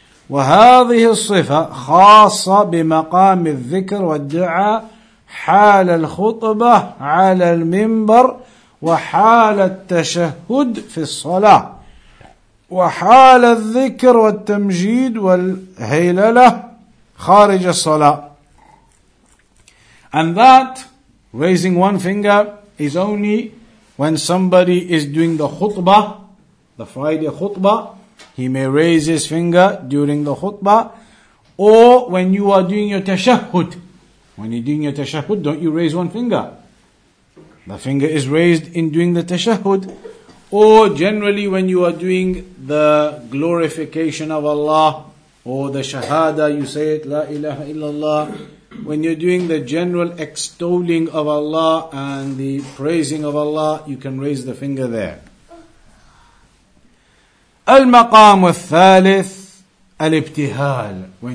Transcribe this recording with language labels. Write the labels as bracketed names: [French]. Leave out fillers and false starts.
[Arabic] وهذه الصفة خاصة بمقام الذكر والدعاء حال الخطبة على المنبر وحال التشهد في الصلاة وحال الذكر والتمجيد والهيللة خارج الصلاة. [English] And that raising one finger is only when somebody is doing the khutbah, the Friday khutbah, he may raise his finger during the khutbah. Or when you are doing your tashahud, when you're doing your tashahud, don't you raise one finger? The finger is raised in doing the tashahud. Or generally when you are doing the glorification of Allah, or the shahada, you say it, la ilaha illallah. When you're doing the general extolling of Allah and the praising of Allah, you can raise the finger there. [Arabic] المقام الثالث الابتهال.